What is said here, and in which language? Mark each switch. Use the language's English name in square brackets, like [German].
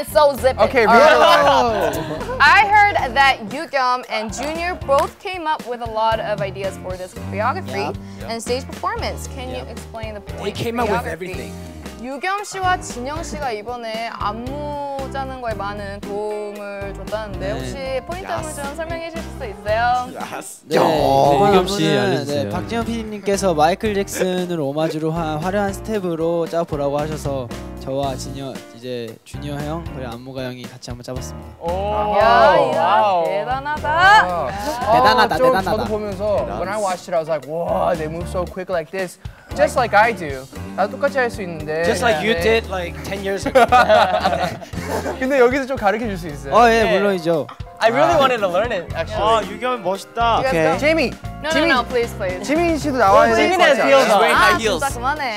[English] I heard that Yugyeom and Junior both came up with a lot of ideas for this choreography and stage performance. Can you explain the point? They came up with everything. [Korean] 유겸 씨와 진영 씨가 이번에 안무 짜는 거에 많은 도움을 줬다는데 혹시 포인트 한번 좀 설명해 주실 수 있어요? 네, 유겸 씨 알려주세요. 네, 박진영 PD님께서 마이클 잭슨을 오마주로 한 화려한 스텝으로 짜보라고 하셔서 저와 진영, 이제 주니어 형, 그리고 안무가 형이 같이 한번 짜봤습니다. 오, 야, 대단하다. 대단하다, 대단하다. 저도 보면서 [English] when I watched it, I was like, wow, they move so quick like this. Just like I do. [Korean] 나도 똑같이 할 수 있는데. [English] Just like you did like 10 years ago. [Korean] 근데 여기서 좀 가르쳐 줄 수 있어요? 어, 예, 물론이죠. [English] I really wanted to learn it, actually. [Korean] 아, 유겸 멋있다. [English] Okay. Jamie! No, please, please. [Korean] 지민 씨도 나와야 될 것 같아요. 지민 [English] has heels. She's wearing high heels. [Korean] 진짜 그만해.